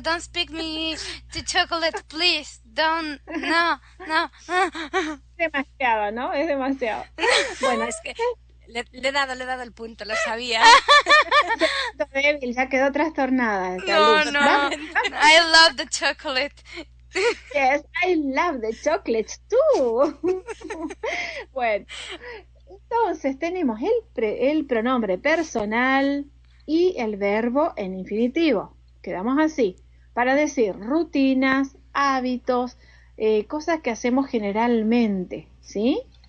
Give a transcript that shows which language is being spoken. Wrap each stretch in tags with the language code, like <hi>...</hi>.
<en>Don't speak me to chocolate, please. Don't. No, no.</en> <es>Demasiado, ¿no? Es demasiado. Bueno, es que le he dado el punto, lo sabía. Débil, ya quedó trastornada.</es> <en>No, no. I love the chocolate. Yes, I love the chocolate too.</en> <es>Bueno, entonces tenemos el pronombre personal y el verbo en infinitivo. Quedamos así, para decir rutinas, hábitos, cosas que hacemos generalmente, ¿sí?</es>